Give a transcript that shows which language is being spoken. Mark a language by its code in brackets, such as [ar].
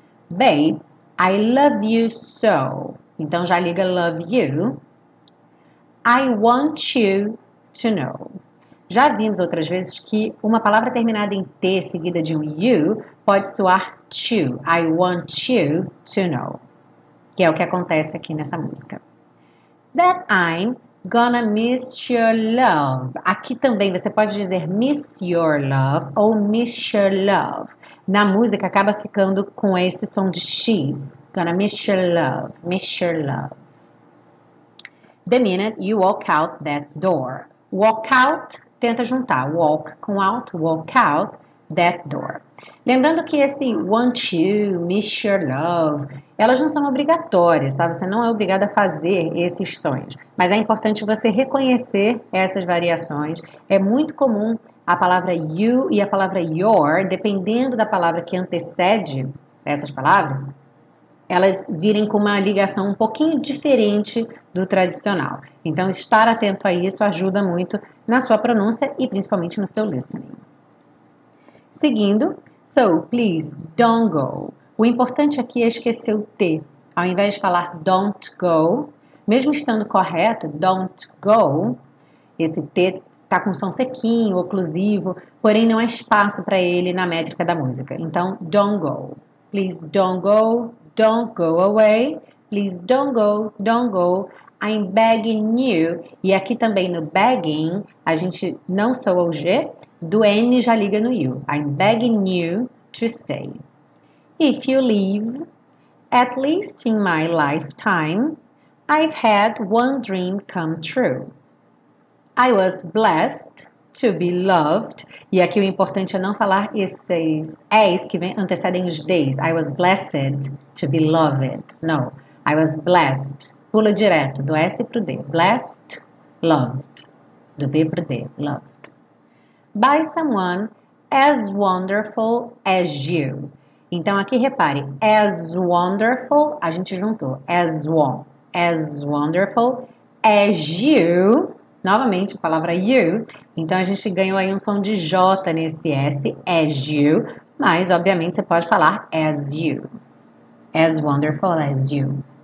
[en] Babe, I love you so. [pt] Então já liga [en] love you. I want you to know. [pt] Já vimos outras vezes que uma palavra terminada em T seguida de um you pode soar to. [en] I want you to know. [pt] Que é o que acontece aqui nessa música. [en] That I'm gonna miss your love. [pt] Aqui também você pode dizer [en] miss your love [pt] ou miss your love. Na música acaba ficando com esse som de X. [en] Gonna miss your love, miss your love. The minute you walk out that door. Walk out. [pt] Tenta juntar [en] walk [pt] com [en] out, walk out that door. [pt] Lembrando que esse [en] want you, miss your love, [pt] elas não são obrigatórias, sabe? Você não é obrigado a fazer esses sons. Mas é importante você reconhecer essas variações. É muito comum a palavra you e a palavra your, dependendo da palavra que antecede essas palavras, elas virem com uma ligação um pouquinho diferente do tradicional. Então, estar atento a isso ajuda muito na sua pronúncia e principalmente no seu listening. Seguindo, [en] so please don't go. [pt] O importante aqui é esquecer o T. Ao invés de falar [en] don't go, [pt] mesmo estando correto, don't go, esse T está com som sequinho, oclusivo, porém não há espaço para ele na métrica da música. Então, [en] don't go. Please don't go. Don't go away. Please don't go. Don't go. I'm begging you. [pt] E aqui também no begging, a gente não soa o G, do N já liga no you. [en] I'm begging you to stay. If you leave, at least in my lifetime, I've had one dream come true. I was blessed to be loved. [pt] E aqui o importante é não falar esses S que vem antecedem os D's. [en] I was blessed to be loved. No, I was blessed. [pt] Pula direto do S pro D. [en] Blessed, loved. [pt] Do B pro D, [en] loved. By someone as wonderful as you. [pt] Então aqui repare, [en] as wonderful, [pt] a gente juntou. [en] As wonderful as you. [pt] Novamente, a palavra you. Então, a gente ganhou aí um som de J nesse S, [en] as you. [pt] Mas, obviamente, você pode falar as you. [en] As wonderful as you.